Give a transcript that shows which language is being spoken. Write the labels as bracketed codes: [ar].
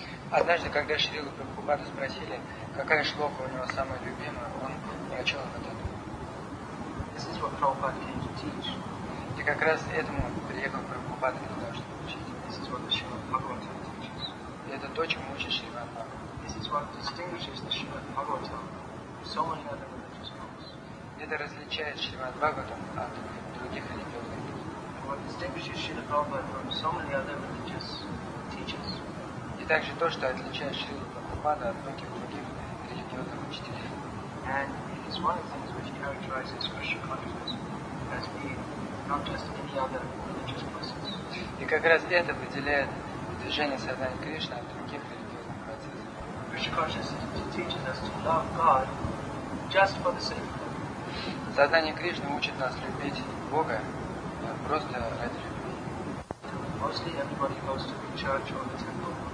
[ru] Однажды, когда Шрилу Прабхупаду спросили, какая шлока у него самая любимая, он прочел вот эту. [en] This is what Prabhupada came to teach. [ru] И как раз этому приехал Прабхупада для того, чтобы учить. [en] This is what the Shrimad Bhagavatam teaches. [ru] И это то, чему учит Шримад Бхагаватам. [en] This is what distinguishes the Shrimad Bhagavatam from so many other religious books. [ru] Это различает Шримад Бхагаватам от других религиозных книг. [en] What distinguishes Shrimad Bhagavatam from so many other religious teachers. [ru] И также то, что отличает Шрилу Прабхупаду от многих других религиозных учителей. [en] And it is one of the things which characterizes Krishna consciousness as being not just any other religious process. [ru] И как раз это выделяет движение сознания Кришны от других религиозных процессов. [en] Krishna consciousness teaches us to love God just for the sake of God. [ru] Сознание Кришны учит нас любить Бога просто ради любви. [en] Mostly everybody goes to the church or the temple.